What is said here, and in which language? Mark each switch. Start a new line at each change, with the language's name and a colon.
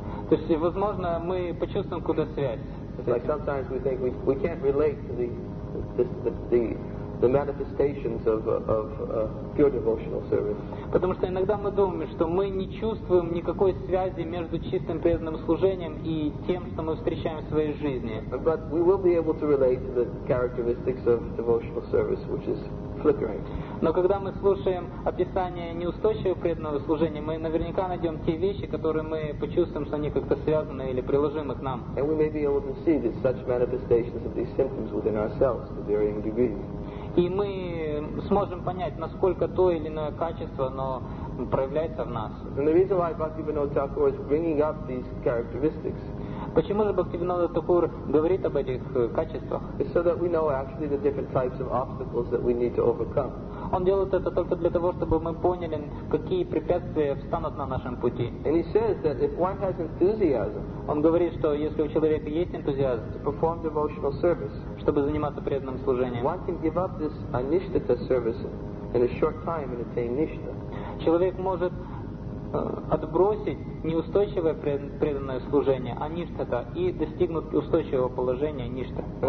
Russian: То есть, возможно, мы почувствуем куда связь.
English: Like sometimes we think we can't relate to the manifestations of pure devotional service.
Russian: Потому что иногда мы думаем, что мы не чувствуем никакой связи между чистым преданным служением и тем, что мы встречаем в своей жизни.
English: But we will be able to relate to the characteristics of devotional service, which is flickering.
Russian: Но когда мы слушаем описание неустойчивого преданного служения, мы наверняка найдем те вещи, которые мы почувствуем, что они как-то связаны или приложимы к нам.
English: And we may be able to see that such manifestations of these symptoms within ourselves to varying degrees.
Russian: И мы сможем понять, насколько то или иное качество, оно проявляется в нас.
English: And the reason why Bhaktivinoda Thakur is bringing up these characteristics.
Russian: Почему же Бхактивинода Такур говорит об этих качествах?
English: It's so that we know actually the different types of obstacles that we need to overcome.
Russian: Он делает это только для того, чтобы мы поняли, какие препятствия встанут на нашем пути.
English: And he says that if one has enthusiasm,
Russian: он говорит, что если у человека есть энтузиазм,
English: to perform devotional service,
Russian: чтобы заниматься преданным служением,
English: one can give up this anishtita service in a short time and attain nishtha.
Russian: Человек может отбросить неустойчивое преданное служение, аништхата, и достигнуть устойчивого положения ништха.